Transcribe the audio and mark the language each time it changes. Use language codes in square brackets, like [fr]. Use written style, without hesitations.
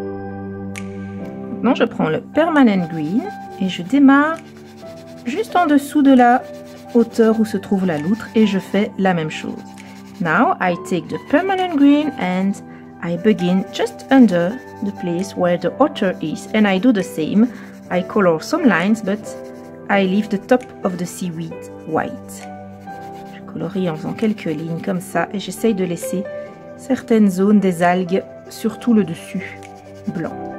[fr] Maintenant, je prends le Permanent Green et je démarre juste en dessous de la hauteur où se trouve la loutre et je fais la même chose. [en] Now, I take the Permanent Green and I begin just under the place where the otter is and I do the same. I color some lines but I leave the top of the seaweed white. [fr] Je colorie en faisant quelques lignes comme ça et j'essaye de laisser certaines zones des algues, surtout le dessus, blanc.